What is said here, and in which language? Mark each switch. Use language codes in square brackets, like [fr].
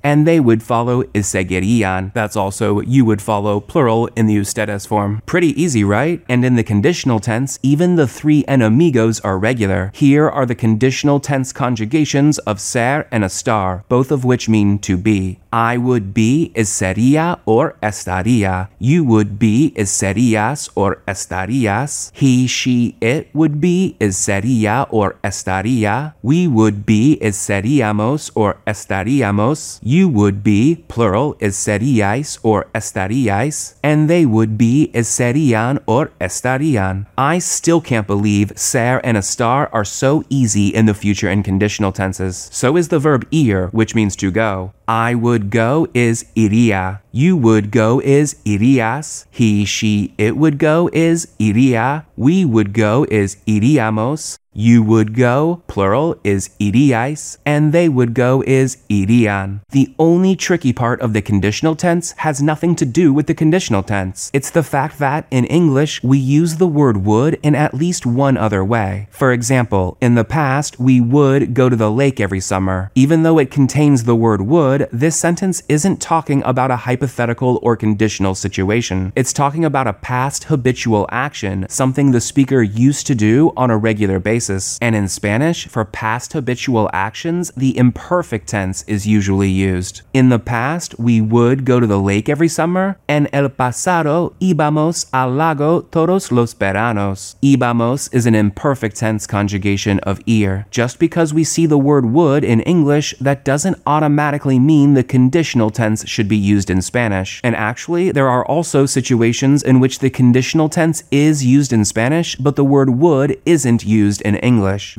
[en] And they would follow is seguirían. That's also you would follow, plural in the ustedes form. Pretty easy, right? And in the conditional tense, even the three enemigos are regular. Here are the conditional tense conjugations of ser and estar, both of which mean to be. I would be is sería or estaría. You would be is serías or estarías. He, she, it would be is sería or estaría. We would be is seríamos or estaríamos. You would be, plural, is seríais or estaríais. And they would be is serían or estarían. I still can't believe ser and estar are so easy in the future and conditional tenses. So is the verb ir, which means to go. I would go is iría. You would go is irías. He, she, it would go is iría. We would go is iríamos. You would go, plural, is iríais, and they would go is irían. The only tricky part of the conditional tense has nothing to do with the conditional tense. It's the fact that, in English, we use the word would in at least one other way. For example, in the past, we would go to the lake every summer. Even though it contains the word would, this sentence isn't talking about a hypothetical or conditional situation. It's talking about a past habitual action, something the speaker used to do on a regular basis. And in Spanish, for past habitual actions, the imperfect tense is usually used. In the past, we would go to the lake every summer. [es] En el pasado, íbamos al lago todos los veranos. [en] Íbamos is an imperfect tense conjugation of ir. Just because we see the word would in English, that doesn't automatically mean the conditional tense should be used in Spanish. And actually, there are also situations in which the conditional tense is used in Spanish, but the word would isn't used in English.